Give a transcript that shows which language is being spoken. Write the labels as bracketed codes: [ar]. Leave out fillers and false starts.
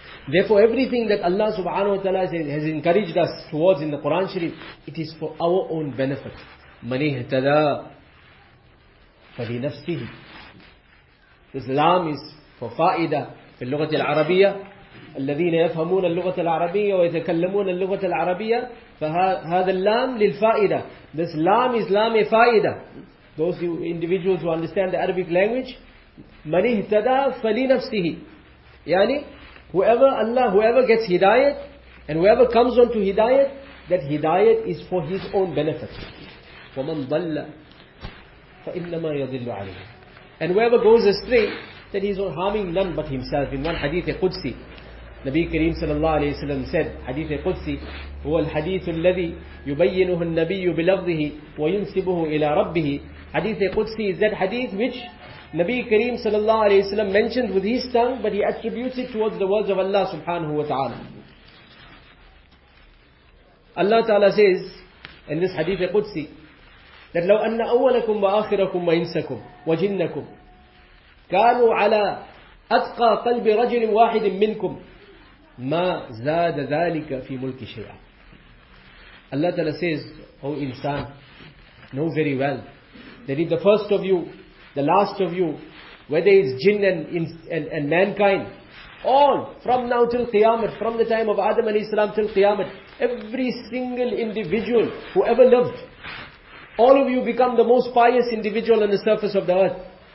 [en] Therefore, everything that Allah subhanahu wa ta'ala has encouraged us towards in the Quran Sharif, it is for our own benefit. [ar] مَنِ اهْتَدَىٰ فَلِنَفْسِهِ. [en] This lam is for fa'idah [ar] في اللغة العربية. الذين يفهمون اللغة العربية ويتكلمون اللغة العربية. فهذا اللام للفائدة. [en] This lam is lam a fa'idah. Those individuals who understand the Arabic language. [ar] مَنِ اهْتَدَىٰ فَلِنَفْسِهِ. يعني [en] whoever gets hidayat and whoever comes on to hidayat, that hidayat is for his own benefit. [ar] وَمَنْ ضَلَّ فَإِنَّمَا يَضِلُّ عَلَيْهِ. [en] And whoever goes astray, that he is harming none but himself. In one hadith al-Qudsi, Nabi Kareem sallallahu alayhi wa sallam said, hadith al-Qudsi, [ar] هُوَ الْحَدِيثُ الَّذِي يُبَيِّنُهُ النَّبِيُّ بِلَغْضِهِ وَيُنْسِبُهُ إِلَىٰ رَبِّهِ. [en] Hadith al-Qudsi is that hadith which Nabi Kareem sallallahu alayhi wa sallam mentioned with his tongue, but he attributes it towards the words of Allah subhanahu wa ta'ala. Allah ta'ala says, in this hadith Qudsi, that [ar] لو أن أولكم وآخركم وإنسكم وجنكم كانوا على أتقى قلب رجل واحد منكم ما زاد ذلك في ملك شيئا. [en] Allah Ta'ala says, O insan, know very well that if the first of you, the last of you, whether it's jinn and mankind, all from now till Qiyamah, from the time of Adam alayhi salam till Qiyamah, every single individual who ever lived, all of you become the most pious individual on the surface of the earth.